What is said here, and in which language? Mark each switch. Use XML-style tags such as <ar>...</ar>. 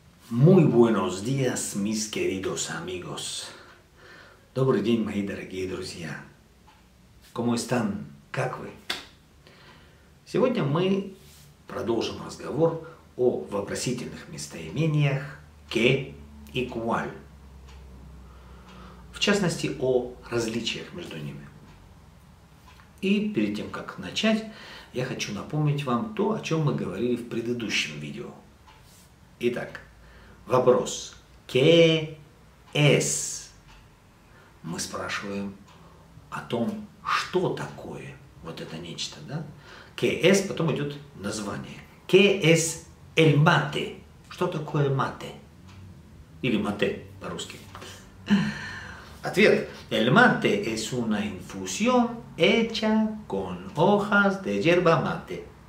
<es>Muy buenos días, mis queridos amigos.</es> <ru>Добрый день, мои дорогие друзья.</ru> <es>Como están?</es> <ru>Как вы? Сегодня мы продолжим разговор о вопросительных местоимениях «que» и «cuál». В частности, о различиях между ними. И перед тем, как начать, я хочу напомнить вам то, о чем мы говорили в предыдущем видео. Итак, вопрос</ru> <es>«que es?»</es> <ru>Мы спрашиваем о том, что такое вот это нечто, да?</ru> <es>«Que es?»</es> <ru>Потом идет название.</ru> <es>«Que es el mate?»</es> <ru>Что такое «mate»? Или «mate» по-русски. Ответ.</ru> <es>«El mate es una infusión hecha con hojas de yerba mate».</es>